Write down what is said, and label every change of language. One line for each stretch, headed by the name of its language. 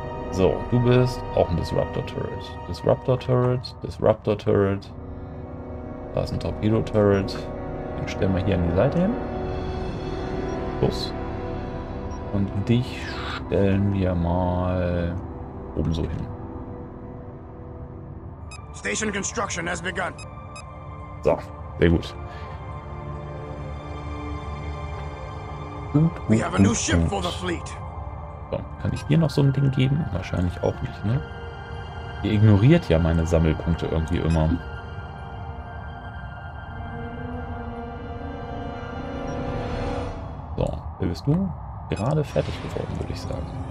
German: So, du bist auch ein Disruptor Turret. Disruptor Turret, Disruptor Turret. Da ist ein Torpedo Turret. Den stellen wir hier an die Seite hin. Plus. Und dich stellen wir mal oben so hin.
English: Station construction has begun.
German: So, sehr gut.
English: We have a new ship for the fleet.
German: So, kann ich dir noch so ein Ding geben? Wahrscheinlich auch nicht, ne? Ihr ignoriert ja meine Sammelpunkte irgendwie immer. So, wer bist du? Gerade fertig geworden, würde ich sagen.